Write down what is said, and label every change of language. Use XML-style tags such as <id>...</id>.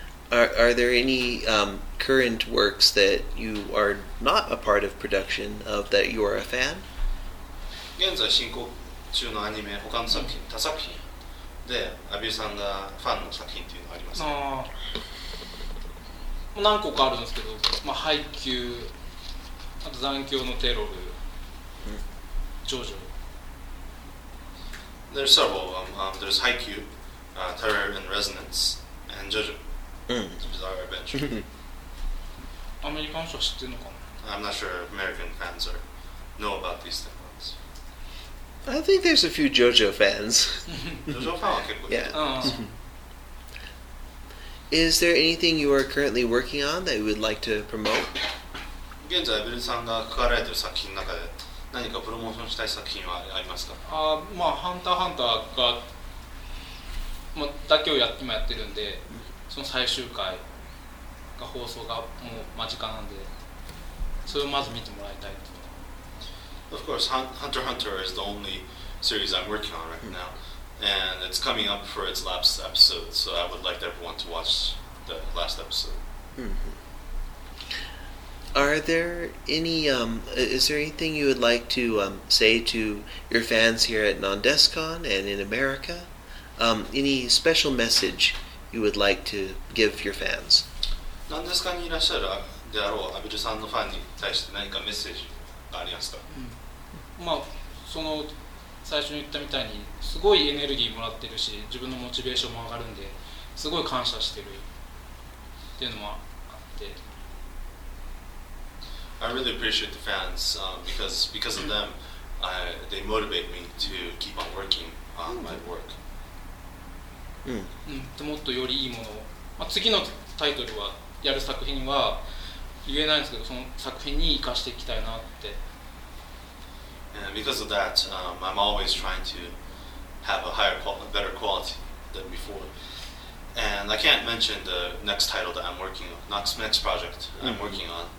<en>Are there any current works that you are not a part of production of that you are a fan?</en> <ja>現在進行中のアニメ、他の作品、他作品で、阿部さんがファンの作品というのありますか？何個かあるんですけど、まあ配給。あと残響のテロル、ジョジョ。</ja> <en>There's several. There's Haikyuu, Terror and Resonance, and JoJo. Bizarre Adventure.</en> <ja>アメリカン人は知ってるのかな？</ja> <en>I'm not sure if American fans are know about these things. I think there's a few JoJo fans.</en> <ja>JoJo ファンは結構いる。</ja> <en>Yeah. Is there anything you are currently working on that you would like to promote?</en> <ja>現在、ベルさんが書かれている作品の中で何かプロモーションしたい作品はありますか？あ、まあ、ハンター×ハンターが、まあ、だけを今やってるんで、その最終回が放送がもう間近なんで、それをまず見てもらいたいと。</ja> <en>Of course, Hunter x Hunter is the only series I'm working on right now, and it's coming up for its last episode, so I would like everyone to watch the last episode. Are there any, is there anything you would like to say to your fans here at Nondescon and in America? Any special message you would like to give your fans?</en> <ja>Nondescon にいらっしゃるであろう阿部さんのファンに対して何かメッセージがありますか？まあ、その最初に言ったみたいにすごいエネルギーもらってるし、自分のモチベーションも上がるんで、すごい感謝してるっていうのもあって、</ja> <en>I really appreciate the fans because of them, they motivate me to keep on working on my work.</en> <ja>もっとよりいいものを、まあ、次のタイトルはやる作品は言えないんですけど、その作品に生かしていきたいなって。</ja> <en>And because of that, I'm always trying to have a higher quality, better quality than before. And I can't mention the next title that I'm working on, next project I'm working on.</en>